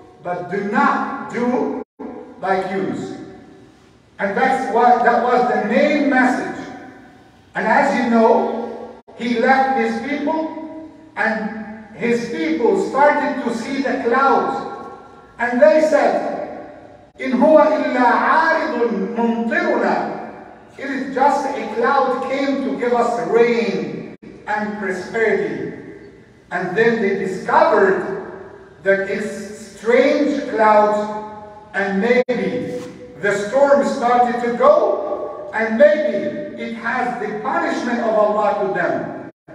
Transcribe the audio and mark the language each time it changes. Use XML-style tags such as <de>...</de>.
<en>But do not do like yous. And that's what, that was the main message. And as you know, he left his people, and his people started to see the clouds. And they said,</en> <ar>إِنْ هُوَ إِلَّا عَارِضٌ مُمْطِرُنَا.</ar> <en>It is just a cloud came to give us rain and prosperity. And then they discovered that it's strange clouds, and maybe the storm started to go, and maybe it has the punishment of Allah to them.</en>